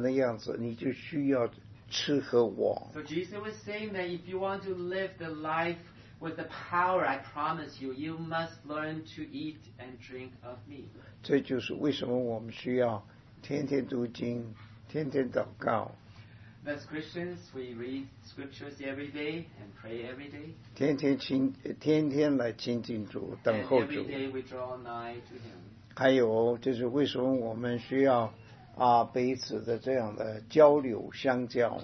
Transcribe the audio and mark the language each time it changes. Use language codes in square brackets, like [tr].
[zh] 主耶稣就说，如果你要是活得有力量，你如果要活出我所要的那样子，你就需要吃和我。 [en] So Jesus was saying that if you want to live the life with the power I promise you, you must learn to eat and drink of me. [zh] 这就是为什么我们需要天天读经，天天祷告。 [en] As Christians, we read scriptures every day and pray every day. [zh] 天天来亲近主，等候主。 [en] And every day we draw nigh to him. [zh] 还有就是为什么我们需要彼此的这样的交流相交。